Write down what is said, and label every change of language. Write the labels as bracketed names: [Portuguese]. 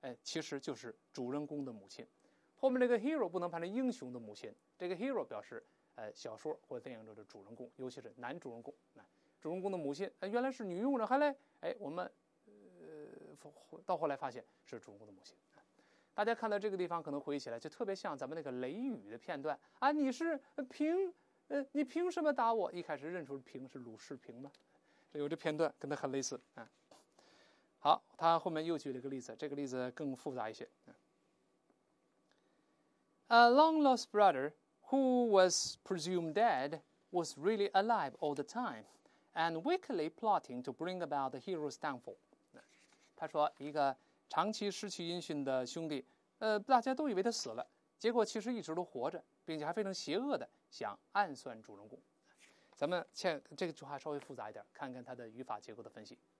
[Chinese] 其实就是主人公的母亲，后面这个 hero 不能翻成英雄的母亲，这个 hero 表示、小说或电影中的主人公，尤其是男主人公、主人公的母亲、原来是女佣人，后来、我们、到后来发现是主人公的母亲、大家看到这个地方可能回忆起来就特别像咱们那个雷雨的片段啊，你是凭、你凭什么打我，一开始认出凭是鲁士平吗，这有这片段跟他很类似啊。好，他后面又举了一个例子，这个例子更复杂一些。 [English] A long-lost brother who was presumed dead was really alive all the time and wickedly plotting to bring about the hero's downfall. [Chinese] 他说一个长期失去音讯的兄弟、大家都以为他死了，结果其实一直都活着，并且还非常邪恶的想暗算主人公。咱们欠这个句话稍微复杂一点，看看他的语法结构的分析。